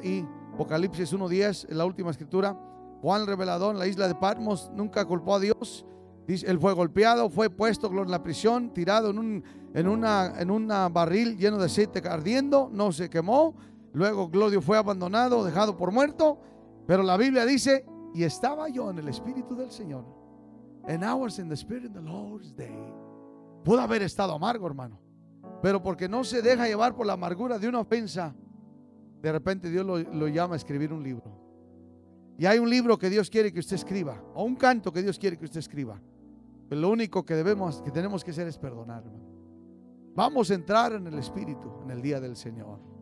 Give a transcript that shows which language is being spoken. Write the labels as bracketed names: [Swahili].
[Spanish] Y Apocalipsis 1:10, en la última escritura. Juan el Revelador en la isla de Patmos nunca culpó a Dios. Dice, él fue golpeado, fue puesto en la prisión, tirado en una barril lleno de aceite ardiendo. No se quemó. Luego Glodio fue abandonado, dejado por muerto. Pero la Biblia dice, y estaba yo en el Espíritu del Señor. [English] And I was in the Spirit of the Lord's day. [Spanish] Pudo haber estado amargo, hermano. Pero porque no se deja llevar por la amargura de una ofensa, de repente Dios lo llama a escribir un libro. Y hay un libro que Dios quiere que usted escriba, o un canto que Dios quiere que usted escriba. Pero lo único que tenemos que hacer es perdonar, hermano. Vamos a entrar en el Espíritu en el día del Señor.